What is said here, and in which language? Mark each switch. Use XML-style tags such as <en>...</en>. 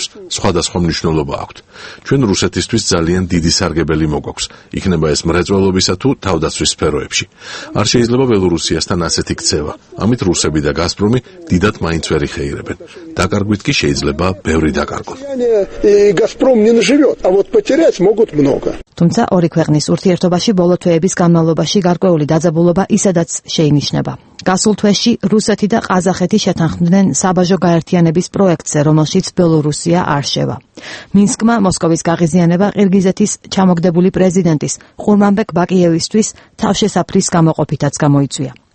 <ka>მოგვაქვს, სხვადასხვა მნიშვნელობა აქვს. ჩვენ რუსეთისთვის ძალიან დიდი სარგებელი მოგვაქვს, იქნება ეს მრეწველობისა თუ თავდაცვის სფეროებში. არ შეიძლება ბელორუსიასთან ასეთი ქცევა. ამით რუსები და გაზპრომი დიდად მაინც ვერ იხეირებენ. დაკარგვით კი შეიძლება ბევრი დაკარგონ.</ka> <ru>Газпром не наживёт, а вот потерять могут много.</ru> <ka>თუმცა ორი ქვეყნის ურთიერთობაში ბოლოთვეების განმავლობაში გარკვეული დაძაბულობა ისედაც შეინიშნება. გასულ თვეში რუსეთი და ყაზახეთი შეთანხმდნენ საბაჟო გაერთიანების პროექტზე, რომელშიც ბელორუსია არ შევა. მინსკმა მოსკოვის გაღიზიანება ყირგიზეთის ჩამოგდებული პრეზიდენტის ყურმანბეკ ბაკიევისთვის თავშესაფრის გამოყოფითაც გამოიწვია.</ka>